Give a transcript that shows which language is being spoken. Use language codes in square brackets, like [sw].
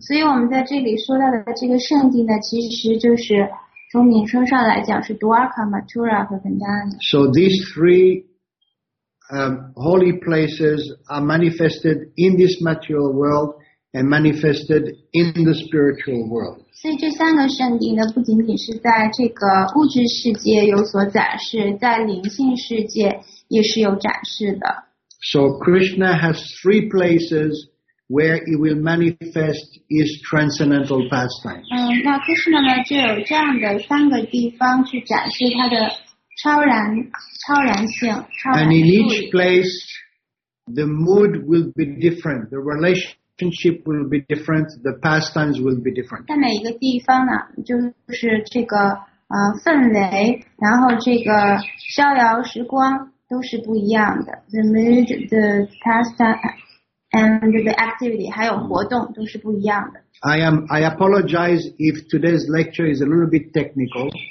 [zh] 所以我们在这里说到的这个圣地呢，其实就是从名称上来讲是 Dwarka, Mathura 和 Vrindavan。 [en] So these three holy places are manifested in this material world and manifested in the spiritual world. [zh] 所以这三个圣地呢，不仅仅是在这个物质世界有所展示，在灵性世界也是有展示的。 [en] So Krishna has three places where he will manifest his transcendental pastimes. [zh] 那 Krishna 呢就有这样的三个地方去展示他的。 [en] And in each place, the mood will be different, the relationship will be different, the pastimes will be different. [zh] 在每一个地方呢，就是这个氛围，然后这个逍遥时光都是不一样的。 [en] The mood, the pastime, and the activity, [zh] 还有活动都是不一样的。 [en] I apologize if today's lecture is a little bit technical.